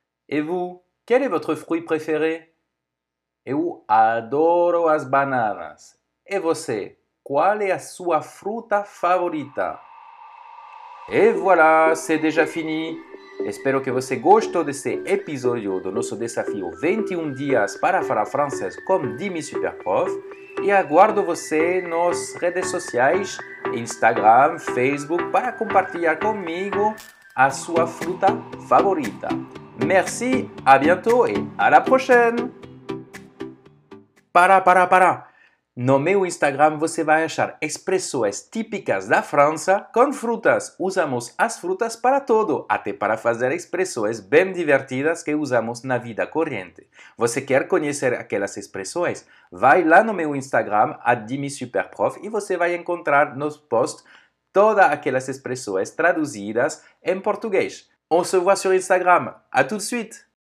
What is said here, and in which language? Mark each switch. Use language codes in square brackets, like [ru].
[fr] Et vous, quel est votre fruit préféré? [pt] Eu adoro as bananas. E você, qual é a sua fruta favorita? E [fr] voilà, c'est déjà fini. [pt] Espero que você gostou desse episódio do nosso desafio 21 dias para falar francês com Dimi Superprof. E aguardo você nas redes sociais, Instagram, Facebook, para compartilhar comigo a sua fruta favorita. [fr] Merci, à bientôt et à la prochaine! [pt] Para! No meu Instagram você vai achar expressões típicas da França com frutas. Usamos as frutas para tudo, até para fazer expressões bem divertidas que usamos na vida corrente. Você quer conhecer aquelas expressões? Vai lá no meu Instagram, @dimisuperprof, e você vai encontrar nos posts todas aquelas expressões traduzidas em português. [fr] On se voit sur Instagram. À tout de suite!